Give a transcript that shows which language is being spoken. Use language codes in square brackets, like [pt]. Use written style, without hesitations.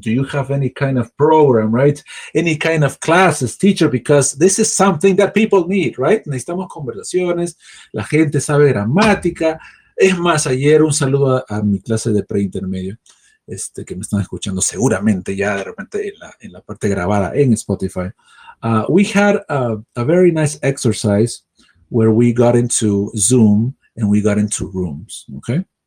[en] Do you have any kind of program, right? Any kind of classes, teacher, because this is something that people need, right? [es] Necesitamos conversaciones. La gente sabe gramática. Es más, ayer un saludo a mi clase de preintermedio. Que me están escuchando seguramente ya de repente en la parte grabada en Spotify. [en] We had a very nice exercise where we got into Zoom and we got into rooms, okay?